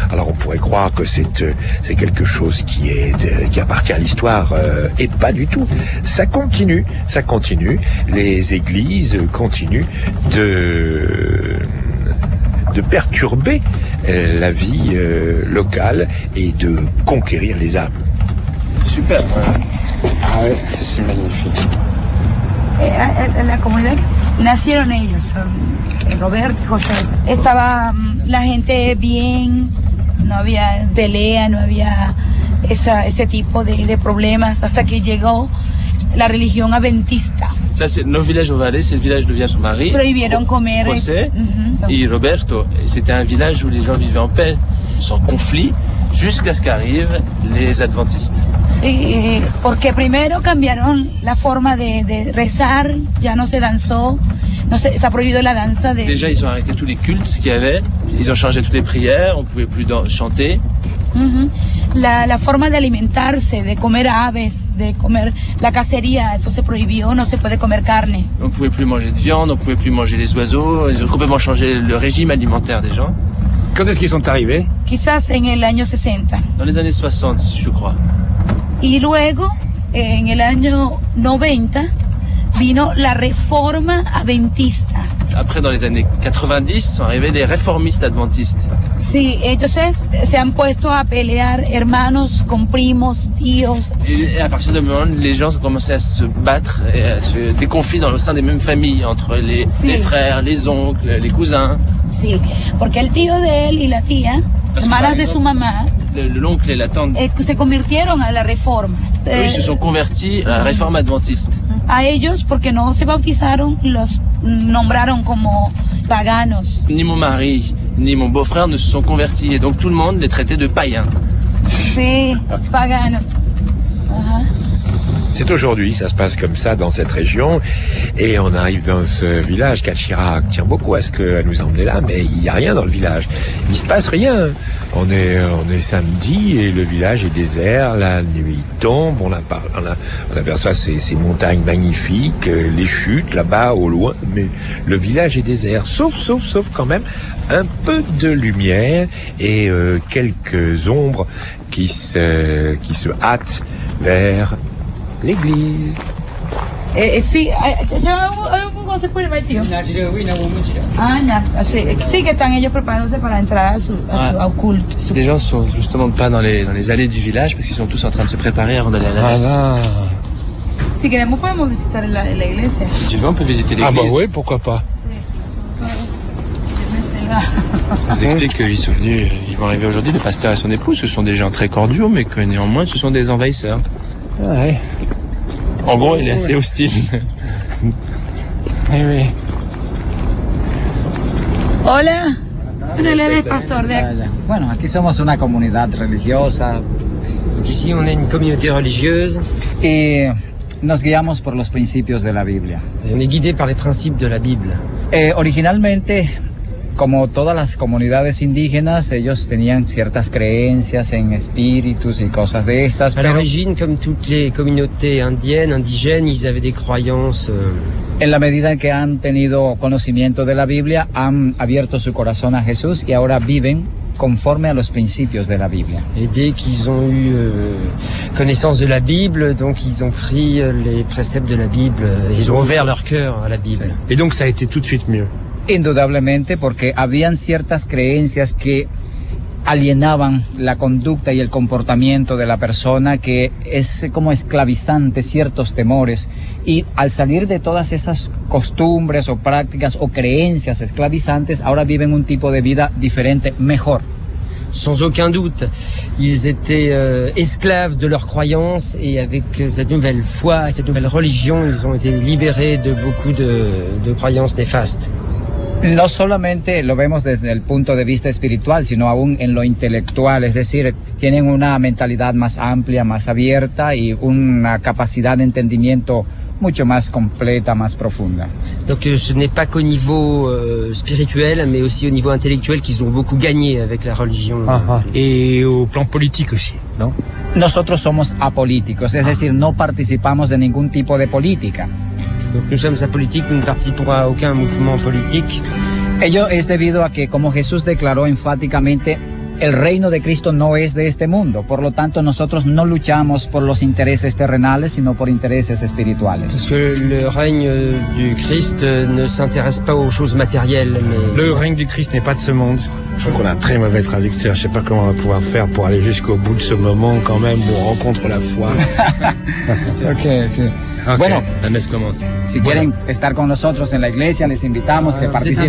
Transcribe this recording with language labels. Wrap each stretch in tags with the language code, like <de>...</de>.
<fr>Alors on pourrait croire que c'est quelque chose qui appartient à l'histoire, et pas du tout. Ça continue. Les églises continuent de perturber la vie locale et de conquérir les âmes. Super. Ah, c'est magnifique.</fr> <es>En la comunidad nacieron ellos, Robert, José. Estaba la gente bien, no había pelea, no había ese tipo de problemas hasta que llegó la religión adventista.</es> <fr>Ça, c'est nos villages au Valais, c'est le village d'où vient son mari.</fr> <es>Prohibieron comer.</es> <fr>José et Roberto, c'était un village où les gens vivaient en paix, sans conflit. Jusqu'à ce qu'arrivent les adventistes.</fr> <es>Sí, porque primero cambiaron la forma de rezar, ya no se danzó, no se está prohibido la danza de.</es> <fr>Déjà, ils ont arrêté tous les cultes qu'il y avait, ils ont changé toutes les prières, on pouvait plus chanter. Mm-hmm.</fr> <es>La forma de alimentarse, de comer aves, de comer la cacería, eso se prohibió, no se puede comer carne.</es> <fr>On pouvait plus manger de viande, on pouvait plus manger les oiseaux, ils ont complètement changé le régime alimentaire des gens. Quand est-ce qu'ils sont arrivés?</fr> <es>Quizás en el año 60.</es> <fr>Dans les années 60, je crois.</fr> <es>Y luego, en el año 90, vino la reforma adventista.</es> <fr>Après, dans les années 90, sont arrivés les réformistes adventistes.</fr> <es>Sí, entonces se han puesto a pelear hermanos con primos, tíos.</es> <fr>Et à partir de moment, les gens ont commencé à se battre, et à se des conflits dans le sein des mêmes familles, entre les frères, les oncles, les cousins.</fr> <es>Sí, porque el tío de él y la tía, hermanas de su mamá,</es> <fr>l'oncle et la tante,</fr> <es>se convirtieron a la reforma.</es> <fr>Ils se sont convertis à la réforme adventiste.</fr> <es>A ellos, porque no se bautizaron, los nombraron como paganos.</es> <fr>Ni mon mari, ni mon beau-frère ne se sont convertis, et donc tout le monde les traitait de païens.</fr> <es>Sí, paganos.</es> <fr>C'est aujourd'hui, ça se passe comme ça dans cette région, et on arrive dans ce village. Calchira tient beaucoup à ce qu'elle nous emmène là, mais il n'y a rien dans le village. Il se passe rien. On est samedi et le village est désert. La nuit tombe. On aperçoit ces montagnes magnifiques, les chutes là-bas au loin, mais le village est désert. Sauf quand même un peu de lumière et quelques ombres qui se hâtent vers l'église.</fr> <es>Sí, ¿cómo se puede, tío? Sí, que están ellos preparándose para entrar a su culto.</es> <fr>Les gens sont justement pas dans les allées du village parce qu'ils sont tous en train de se préparer avant d'aller à la messe. Voilà.</fr> <es>Si queremos podemos visitar la iglesia.</es> <fr>Si tu veux, on peut visiter l'église. Ah bah oui, pourquoi pas. Ça vous explique qu'ils sont venus, ils vont arriver aujourd'hui, le pasteur et son épouse. Ce sont des gens très cordiaux, mais que néanmoins, ce sont des envahisseurs. Ouais. En gros, il est assez hostile. Eh oui.</fr> <es>Hola. Hola,</es> <fr>le pasteur.</fr> <es>Bueno, aquí somos una comunidad religiosa.</es> <fr>Donc ici, on est une communauté religieuse.</fr> <es>Et nos guiamos por los principios de la Biblia.</es> <fr>Et on est guidé par les principes de la Bible.</fr> <es>Et originalmente, como todas las comunidades indígenas, ellos tenían ciertas creencias en espíritus y cosas de estas.</es> <fr>À l'origine, comme toutes les communautés indiennes, indigènes, ils avaient des croyances.</fr> <es>En la medida en que han tenido conocimiento de la Biblia, han abierto su corazón a Jesús y ahora viven conforme a los principios de la Biblia.</es> <fr>Et dès qu'ils ont eu connaissance de la Bible, donc ils ont pris les préceptes de la Bible, ils ont ouvert leur cœur à la Bible.</fr> <es>Sí.</es> <fr>Et donc ça a été tout de suite mieux.</fr> <es>Indudablemente, porque habían ciertas creencias que alienaban la conducta y el comportamiento de la persona, que es como esclavizante ciertos temores, y al salir de todas esas costumbres o prácticas o creencias esclavizantes, ahora viven un tipo de vida diferente, mejor.</es> <fr>Sans aucun doute, ils étaient esclaves de leurs croyances et avec cette nouvelle foi, cette nouvelle religion, ils ont été libérés de beaucoup de croyances néfastes.</fr> <es>No solamente lo vemos desde el punto de vista espiritual, sino aún en lo intelectual, es decir, tienen una mentalidad más amplia, más abierta y una capacidad de entendimiento mucho más completa, más profunda.</es> <fr>Donc ce n'est pas qu'au niveau spirituel, mais aussi au niveau intellectuel qu'ils ont beaucoup gagné avec la religion. Uh-huh. Et au plan politique aussi, non?</fr> <es>Nosotros somos apolíticos, es decir, no participamos de ningún tipo de política.</es> <fr>Donc nous sommes apolitiques, nous ne participons à aucun mouvement politique.</fr> <es>Ello es debido a que, como Jesús declaró enfáticamente, el reino de Cristo no es de este mundo. Por lo tanto, nosotros no luchamos por los intereses terrenales, sino por intereses espirituales.</es> <fr>Parce que le règne du Christ ne s'intéresse pas aux choses matérielles. Mais... Le règne du Christ n'est pas de ce monde. Je crois qu'on a un très mauvais traducteur. Je ne sais pas comment on va pouvoir faire pour aller jusqu'au bout de ce moment quand même où on rencontre la foi.</fr> <es>Ok, sí.</es> <fr>Okay.</fr> <es>Bueno,</es> <fr>la messe commence.</fr> <es>Si quieren estar con nosotros en la iglesia, les invitamos que participen.</es>